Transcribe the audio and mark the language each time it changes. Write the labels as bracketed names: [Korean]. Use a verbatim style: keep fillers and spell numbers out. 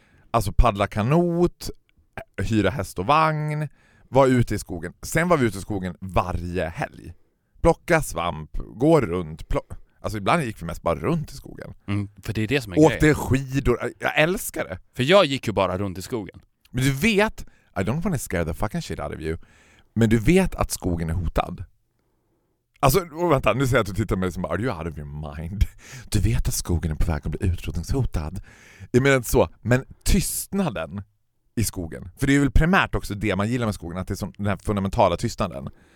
[Swedish] Alltså paddla kanot, hyra häst och vagn, var ute i skogen. Sen var vi ute i skogen varje helg. Plocka svamp, gå runt. Plock... Alltså ibland gick vi mest bara runt i skogen. Mm, för det är det som är åkte grejen. Åkte skidor. Jag älskar det. För jag gick ju bara runt i skogen. Men du vet, [English] I don't wanna scare the fucking shit out of you. [Swedish] Men du vet att skogen är hotad. Alltså, vänta, nu säger jag att du tittar på mig som bara, [English] are you out of your mind? [Swedish] Du vet att skogen är på väg att bli utrotningshotad. Jag menar inte så, men tystnaden i skogen. För det är väl primärt också det man gillar med skogen, att det är som den här fundamentala tystnaden.